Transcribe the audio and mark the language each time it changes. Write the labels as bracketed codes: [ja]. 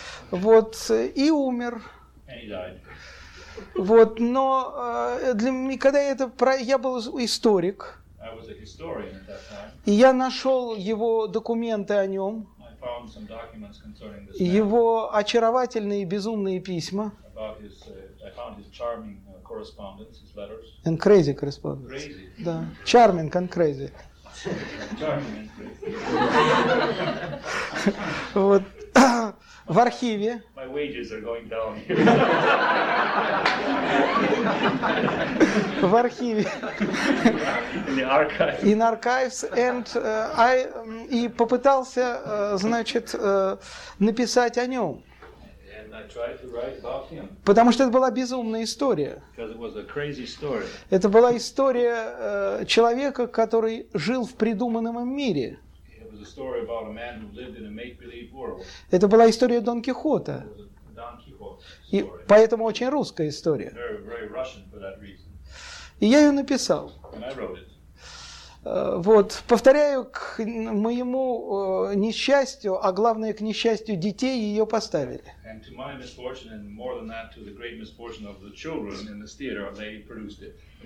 [ru] Вот, и умер. Вот, но для меня, когда это про... я был историк. [en] I was a historian at that [ru] time. И я нашел его документы о нем, [en] I found some documents concerning this man. [ru] Его очаровательные и безумные письма, [en] about his, I found his charming correspondence, his letters. And crazy correspondence. Crazy. Да. Charming and crazy. Charming and crazy. [ru] Вот. В архиве. [en] My wages are going down here. [ru] В архиве. [en] In the archives. In archives. And I [ru] и попытался, значит, написать о нем. [en] And I tried to write about him. [ru] Потому что это была безумная история. [en] Because it was a crazy story. [ru] Это была история человека, который жил в придуманном мире. [en] It was a story about a man who lived in a make-believe world. [ru] Это была история Дон Кихота. Дон Кихот. И поэтому очень русская история. [en] Very Russian for that reason. [ru] И я ее написал. [en] And I wrote it. [ru] Вот, повторяю, к моему несчастью, а главное, к несчастью детей, ее поставили. [en] And to my misfortune, and more than that, to the great misfortune of the children in the theater, they produced it.